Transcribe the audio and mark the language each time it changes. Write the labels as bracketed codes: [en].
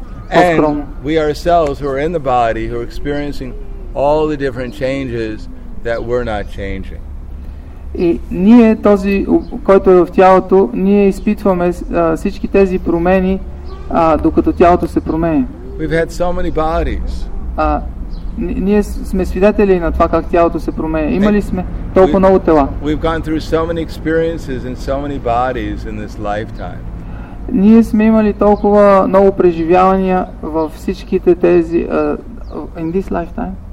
[en] And we ourselves who are in the body, who are experiencing all the different changes that we're not changing. [bg] И ние, този, който е в тялото, ние изпитваме всички тези промени, докато тялото се променя. [en] We've had so many bodies. [bg] Ние сме свидетели на това как тялото се променя. Имали сме толкова много тела. [en] We've gone through so many experiences and so many bodies in this lifetime. [bg] Ние сме имали толкова много преживявания във всичките тези [en] in this lifetime.